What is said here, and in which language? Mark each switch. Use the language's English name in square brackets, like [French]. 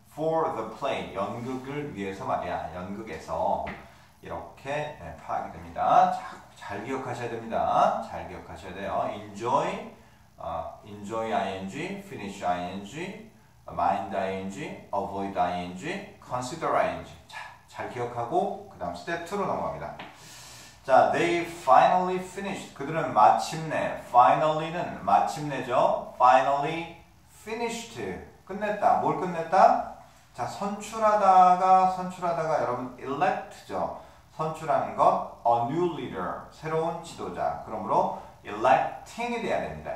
[English] For the play, [Korean] 연극을 위해서 말이야. 연극에서 이렇게 파악이 됩니다. 자, 잘 기억하셔야 됩니다. 잘 기억하셔야 돼요. [English] Enjoy, enjoy ing, finish ing, mind ing, avoid ing, consider ing. [Korean] 자, 잘 기억하고 그 다음 step 2로 넘어갑니다. [English] 자, they finally finished. [Korean] 그들은 마침내, finally는 마침내죠. [English] Finally finished. [Korean] 끝냈다. 뭘 끝냈다? 자, 선출하다가 여러분 elect죠. 선출하는 것, a new leader, 새로운 지도자. 그러므로 electing이 돼야 됩니다.